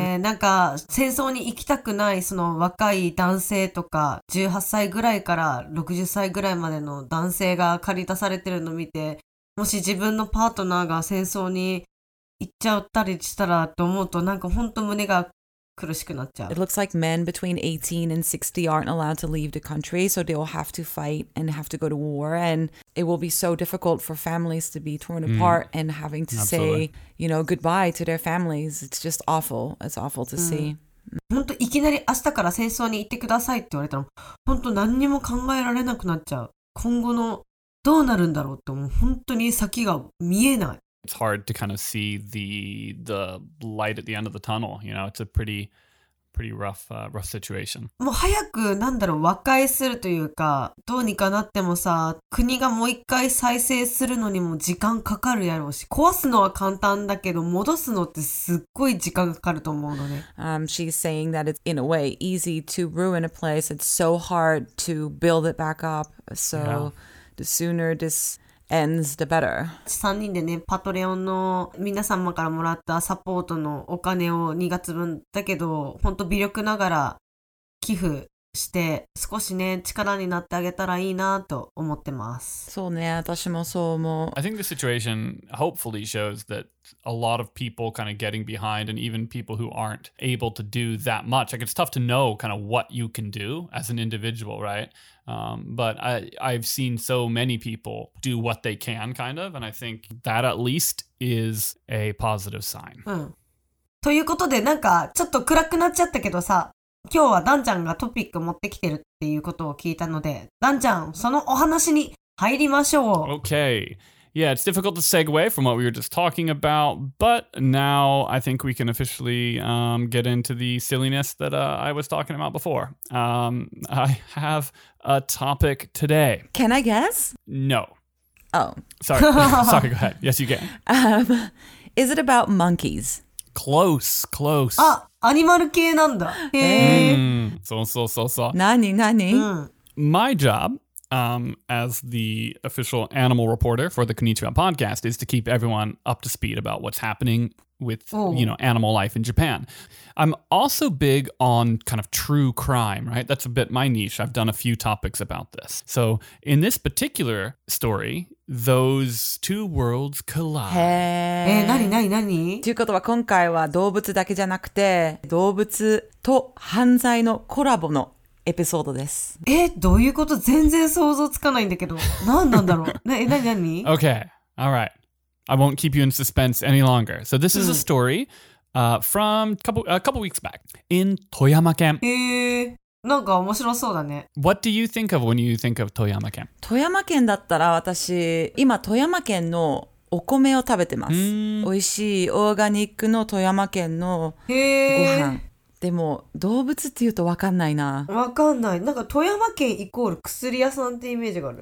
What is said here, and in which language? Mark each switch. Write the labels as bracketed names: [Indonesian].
[Japanese] ね、なんか戦争に行きたくないその若い男性とか、18歳ぐらいから60歳ぐらいまでの男性が駆り出されてるの見て、もし自分のパートナーが戦争に行っちゃったりしたらと思うとなんか本当胸が苦しくなっちゃう。 [English] It looks like men between 18 and 60 aren't allowed to leave the country, so they'll have to fight and have to go to war, and it will be so difficult for families to be torn apart and having to say, you know, goodbye to their families. It's just awful. It's awful to see. [Japanese] 本当いきなり明日から戦争に行ってくださいって言われたら本当何にも考えられなくなっちゃう。今後のどうなるんだろうって思う。本当に先が見えない。 [English] It's hard to kind of see the light at the end of the tunnel. You know, it's a pretty rough situation. [Japanese] もう早くなんだろう和解するというかどうにかなってもさ国がもう一回再生するのにも時間かかるやろうし壊すのは簡単だけど戻すのってすっごい時間かかると思うのね。 [English] She's saying that it's in a way easy to ruin a place. It's so hard to build it back up. So the sooner this... ends the better. [Japanese] 3人でね、パトレオンの皆様からもらったサポートのお金を2月分だけど、本当微力ながら寄付して少しね、力になってあげたらいいなと思ってます。そうね、私もそう思う。 [English] I think the situation hopefully shows that a lot of people kind of getting behind and even people who aren't able to do that much. Like it's tough to know kind of what you can do as an individual, right? But I've seen so many people do what they can, kind of, and I think that at least is a positive sign. [Japanese] ということで、なんかちょっと暗くなっちゃったけどさ、今日はダンちゃんがトピック持ってきてるっていうことを聞いたので、ダンちゃん、そのお話に入りましょう。 [English] Okay. Yeah, it's difficult to segue from what we were just talking about, but now I think we can officially get into the silliness that I was talking about before. I have... A topic today. Can I guess? No. Oh. Sorry. Sorry, go ahead. Yes, you can. Is it about monkeys? Close. Ah, animal [Japanese] 系なんだ. [English] So. [Japanese] 何? [English] My job, as the official animal reporter for the Konnichiwa podcast, is to keep everyone up to speed about what's happening with, you know, animal life in Japan. I'm also big on kind of true crime, right? That's a bit my niche. I've done a few topics about this. So in this particular story, those two worlds collide. [Japanese] え、何? ということは今回は動物だけじゃなくて、動物と犯罪のコラボのエピソードです。え、どういうこと? 全然想像つかないんだけど。何なんだろう?え、何? [English] Okay, all right. I won't keep you in suspense any longer. So this is a story from a couple weeks back in 富山県. [Japanese] なんか面白そうだね。 [English] What do you think of when you think of 富山県? [Japanese] 富山県だったら私、今富山県のお米を食べてます。美味しいオーガニックの富山県のご飯。でも動物っていうと分かんないな。分かんない。なんか富山県イコール薬屋さんってイメージがある。